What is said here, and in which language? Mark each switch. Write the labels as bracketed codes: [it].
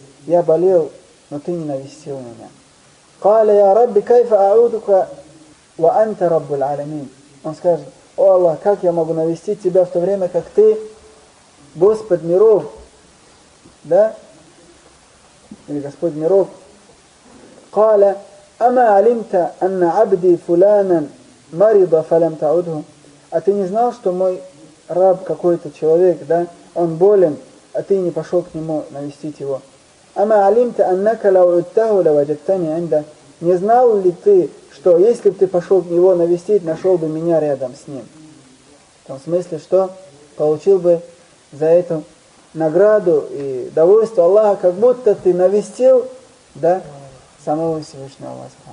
[ru] «Я болел, но ты не навестил меня». [ar] «Каля я Рабби кайфа аудука ва анта Раббу аль-алямин». [ru] Он скажет: «О Аллах, как я могу навестить тебя в то время, как ты Господь миров?» Да? Или Господь миров. [ar] قال أما علمت أن عبدي فلانا مريض فلم تعوده. [ru] А ты не знал, что мой раб какой-то человек, да, он болен, а ты не пошел к нему навестить его. [ar] أما علمت أنك لو عدته لوجدتني عنده. [ru] Не знал ли ты, что если бы ты пошел к него навестить, нашел бы меня рядом с ним. В том смысле, что получил бы за это награду и довольство Аллаха, как будто ты навестил, да, самого Всевышнего Аллаха.